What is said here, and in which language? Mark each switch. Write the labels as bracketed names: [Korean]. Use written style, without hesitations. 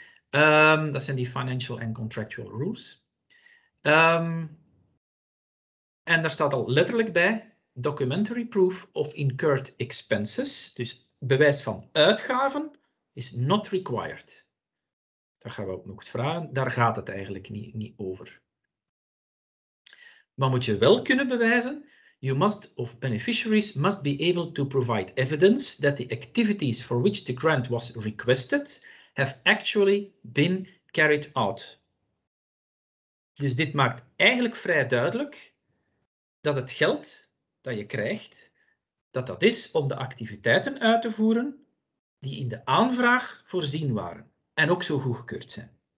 [Dutch] Dat zijn die [English] financial and contractual rules. [Dutch] En daar staat al letterlijk bij, [English] documentary proof of incurred expenses, [Dutch] dus bewijs van uitgaven, [English] is not required. [Dutch] Daar gaan we ook nog vragen. Daar gaat het eigenlijk niet over. Wat moet je wel kunnen bewijzen? [English] You must, [Dutch] of [English] beneficiaries, must be able to provide evidence that the activities for which the grant was requested have actually been carried out. [Dutch] Dus dit maakt eigenlijk vrij duidelijk dat het geld dat je krijgt, dat is om de activiteiten uit te voeren die in de aanvraag voorzien waren en ook zo goedgekeurd zijn.